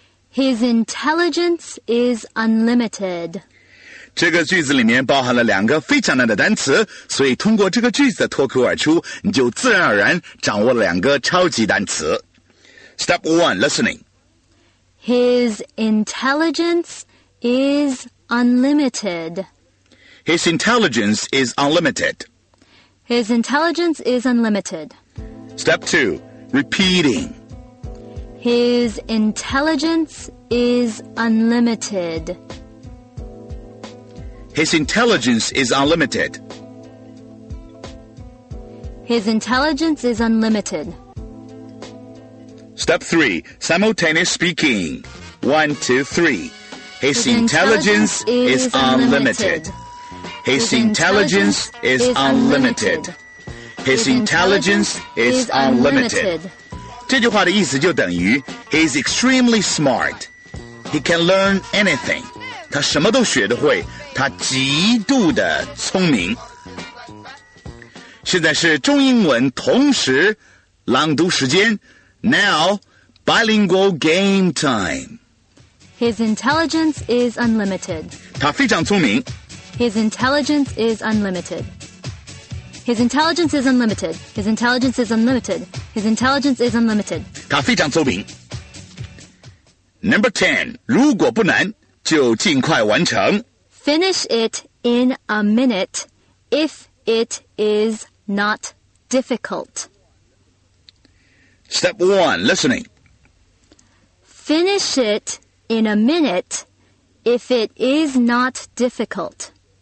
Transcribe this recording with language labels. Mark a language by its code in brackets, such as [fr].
[en] His intelligence is unlimited. [zh] 这个句子里面包含了两个非常难的单词，所以通过这个句子的脱口而出，你就自然而然掌握了两个超级单词。 [en] Step 1, listening. His intelligence is unlimited. His intelligence is unlimited. His intelligence is unlimited. Step 2, repeating. His intelligence is unlimited. His intelligence is unlimited. His intelligence is unlimited. Step 3, simultaneous speaking. 1, 2, 3. His intelligence is unlimited. His intelligence is unlimited. His intelligence is unlimited. [zh] 这句话的意思就等于 [en] He's extremely smart. He can learn anything. [zh] 他什么都学得会，他极度的聪明。现在是中英文同时朗读时间 ， [en] Now bilingual game time. His intelligence is unlimited. [zh] 他非常聪明。 [en] His intelligence is unlimited. His intelligence is unlimited. His intelligence is unlimited. His intelligence is unlimited. [zh] 他非常聪明。 [en] Number 10, [zh] 如果不难就尽快完成。 [en] Finish it in a minute if it is not difficult. Step 1, listening. Finish it in a minute if it is not difficult.